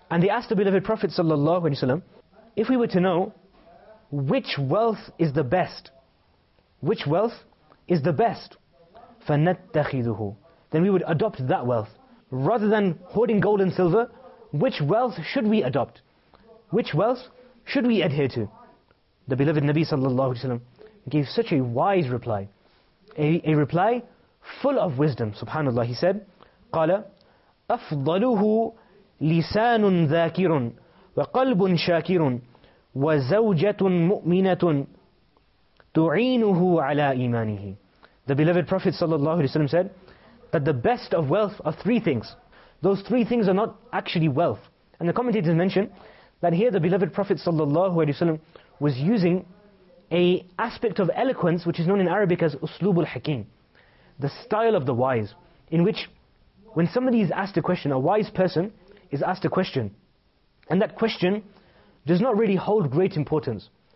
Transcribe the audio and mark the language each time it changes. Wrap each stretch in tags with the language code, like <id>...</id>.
<en>And they asked the beloved Prophet sallallahu alayhi wa sallam, if we were to know which wealth is the best, which wealth is the best, فَنَتَّخِذُهُ, then we would adopt that wealth. Rather than hoarding gold and silver, which wealth should we adopt? Which wealth should we adhere to? The beloved Nabi sallallahu alayhi wa sallam gave such a wise reply, a reply full of wisdom. Subhanallah, he said,</en> <ar>قَالَ أَفْضَلُهُ لِسَانٌ ذَاكِرٌ وَقَلْبٌ شَاكِرٌ وَزَوْجَةٌ مُؤْمِنَةٌ تُعِينُهُ عَلَىٰ إِيمَانِهِ.</ar> <en>The beloved Prophet sallallahu alayhi wa sallam said that the best of wealth are three things. Those three things are not actually wealth. And the commentators mention that here the beloved Prophet sallallahu alayhi wa sallam was using a aspect of eloquence which is known in Arabic as uslubul hakim, the style of the wise, in which when somebody is asked a question, a wise person is asked a question, and that question does not really hold great importance.</en>